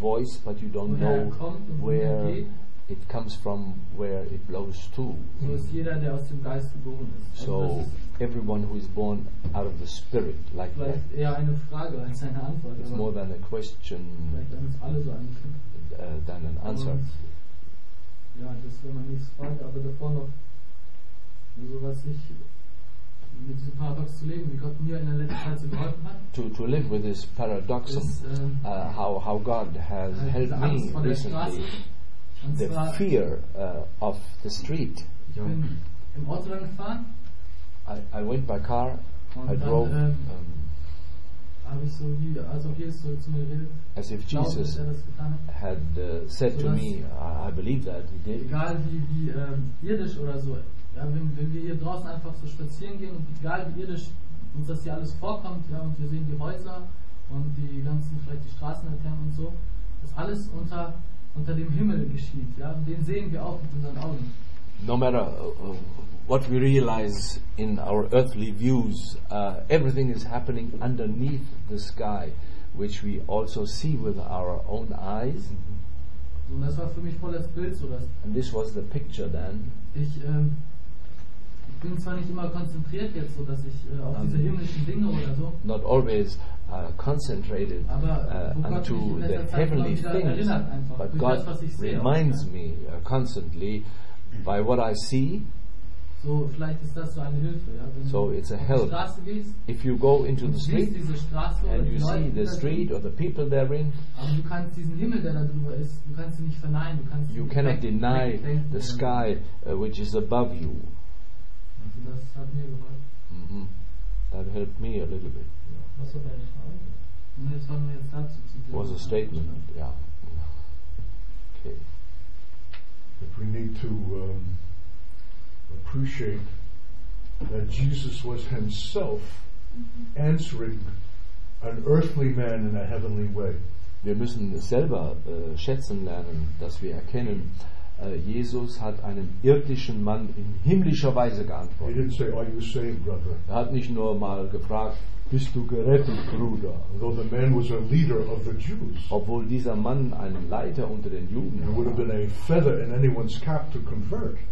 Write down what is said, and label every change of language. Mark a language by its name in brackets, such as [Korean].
[English] voice, but you don't know where it comes from, where it blows to. [German] So ist jeder, der aus dem Geist geboren ist. [English] So everyone who is born out of the Spirit, like [German] vielleicht [English] that. [German] Vielleicht eher eine Frage als eine Antwort. [English] It's more than a question. [German] Vielleicht haben es alle so angefangen. [English] Than an answer. [German] Ja, das wäre mein nächstes Frage, aber davor noch so was ich mit diesem Paradox zu leben, wie Gott mir in der letzten Zeit so geholfen hat. [English] To live with this paradox, how God has helped me recently. The fear of the street. [German] Ich bin im Auto dann gefahren. [English] I went by car. [German] Und [English] I drove. [German] Habe ich so wie, also Jesus so zu mir redet. [English] As if Jesus had said to me, I believe that he did. [German] Egal wie irdisch oder so, ja, wenn wir hier draußen einfach so spazieren gehen und egal wie irdisch uns das hier alles vorkommt, ja, und wir sehen die Häuser und die ganzen, vielleicht die Straßenlaternen und so, das alles unter dem Himmel geschieht, ja, und den sehen wir auch mit unseren Augen. [English] No matter what we realize in our earthly views, everything is happening underneath the sky, which we also see with our own eyes. [German] Und das war für mich voll das Bild, so dass [English] and this was the picture then. [German] Ich bin zwar nicht immer konzentriert jetzt, so dass ich auf diese himmlischen Dinge oder so. [English] Not always concentrated unto the heavenly things, but God reminds me constantly by what I see. [German] So vielleicht ist das so eine Hilfe, ja. Wenn [English] so it's a help. If you go into the street and you see the street or the people therein, [German] aber du kannst diesen Himmel, der da drüber ist, du kannst ihn nicht verneinen, du kannst [English] you cannot deny the sky which is above you. [German] Also das hat mir geholfen. [English] Mm-hmm. That helped me a little bit. [German] Was war deine Frage? Jetzt fangen wir jetzt dazu zu. [English] Was a statement, ja. Okay. If we need to appreciate that Jesus was himself answering an earthly man in a heavenly way. [German] Wir müssen selber schätzen lernen, dass wir erkennen, Jesus hat einem irdischen Mann in himmlischer Weise geantwortet. [English] He didn't say, "Are you saved, brother?" [German] Er hat nicht nur mal gefragt, bist du gerettet, Bruder? [English] Though the man was a leader of the Jews. [German] Obwohl dieser Mann ein Leiter unter den Juden war. [English] It would have been a feather in anyone's cap to convert.